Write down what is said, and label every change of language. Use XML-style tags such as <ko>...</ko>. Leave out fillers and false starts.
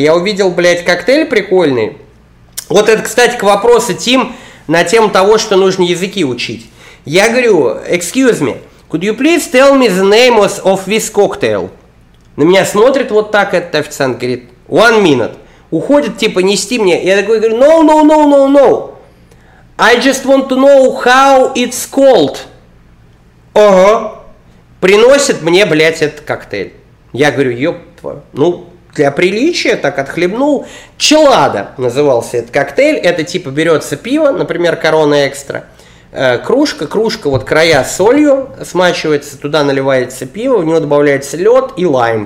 <ru>Я увидел, блядь, коктейль прикольный. Вот это, кстати, к вопросу, Тим, на тему того, что нужно языки учить. Я говорю:</ru> <en>excuse me, could you please tell me the name of this cocktail?</en> <ru>На меня смотрит вот так этот официант, говорит:</ru> <en>one minute.</en> <ru>Уходит, типа, нести мне. Я такой говорю:</ru> <en>no. I just want to know how it's called. Ага.</en> <ru>Приносит мне, блядь, этот коктейль. Я говорю: ёпта. Ну, для приличия так отхлебнул. Челада назывался этот коктейль. Это, типа, берется пиво, например, Корона Экстра. Кружка, вот края солью смачивается, туда наливается пиво, в него добавляется лед и лайм.</ru>